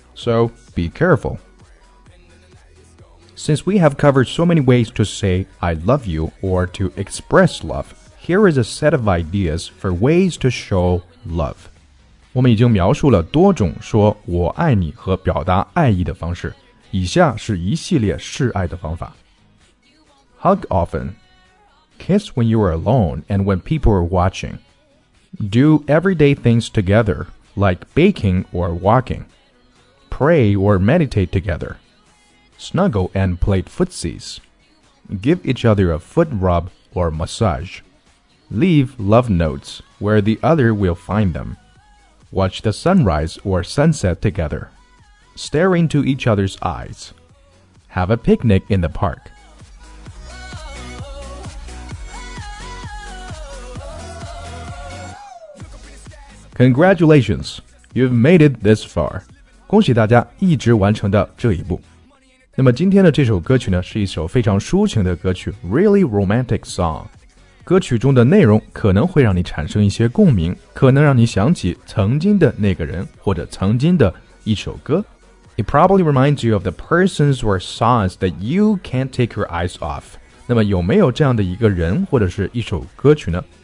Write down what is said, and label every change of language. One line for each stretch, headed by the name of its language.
English: So be careful. Since we have covered so many ways to say I love you or to express love, here is a set of ideas for ways to show love.
Chinese: 我们已经描述了多种说我爱你和表达爱意的方式，以下是一系列示爱的方法。
English: Hug often. Kiss when you are alone and when people are watching. Do everyday things together, like baking or walking. Pray or meditate together. Snuggle and play footsies. Give each other a foot rub or massage. Leave love notes where the other will find them. Watch the sunrise or sunset together. Stare into each other's eyes. Have a picnic in the park. Congratulations, you've made it this far.
Chinese: 恭喜大家一直完成到这一步。那么今天的这首歌曲呢，是一首非常抒情的歌曲 ,
English: Really Romantic Song。
Chinese: 歌曲中的内容可能会让你产生一些共鸣，可能让你想起曾经的那个人或者曾经的一首歌。
English: It probably reminds you of the persons or songs that you can't take your eyes off.
Chinese: 那么有没有这样的一个人或者是一首歌曲呢？